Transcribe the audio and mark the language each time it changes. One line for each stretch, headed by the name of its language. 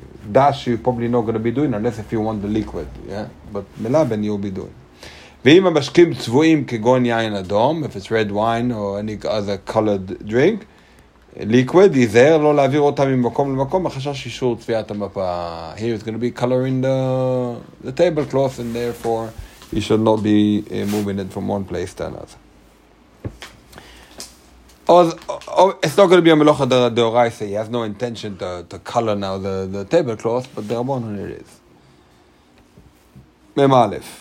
English: Dash, you're probably not going to be doing, unless if you want the liquid, yeah. But melaben, you'll be doing.
Hebrew: ואם המשקים צבועים כגון יין אדום,
English: if it's red wine or any other colored drink, liquid,
Hebrew: יזהר לא להעביר אותם ממקום למקום, החשש אישור צביעת המפה.
English: Here it's going to be coloring the tablecloth, and therefore you should not be moving it from one place to another. It's not going to be a
Hebrew: מלוכה דאורייתא,
English: he has no intention to color now the tablecloth, but דרבנן it is. מ"א.